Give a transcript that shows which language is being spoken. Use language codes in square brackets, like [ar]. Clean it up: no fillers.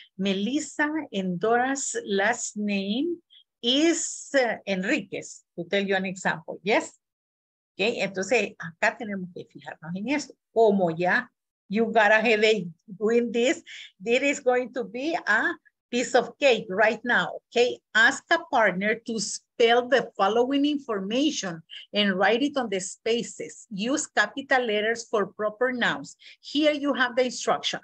[en] Melissa and Dora's last name is Enriquez, to tell you an example, yes? [es] Okay, entonces acá tenemos que fijarnos en esto. Como ya, [en] you got a headache doing this, this is going to be a piece of cake right now, okay? Ask a partner to spell the following information and write it on the spaces. Use capital letters for proper nouns. Here you have the instruction.